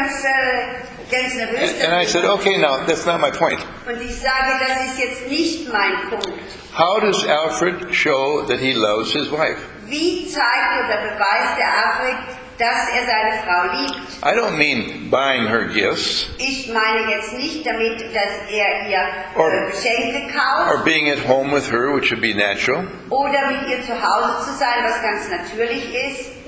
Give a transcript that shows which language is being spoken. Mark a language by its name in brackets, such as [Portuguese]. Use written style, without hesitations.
[English] And I said, okay, now, that's not my point. [German] Und ich sage, das ist jetzt nicht mein Punkt. [English] How does Alfred show that he loves his wife? [German] Wie zeigt oder beweist der Alfred, dass er seine Frau liebt? [English] I don't mean buying her gifts. [German] Ich meine jetzt nicht damit, dass er ihr Geschenke kauft. [English] Or being at home with her, which would be natural. [German] Oder mit ihr zu Hause zu sein, was ganz natürlich ist.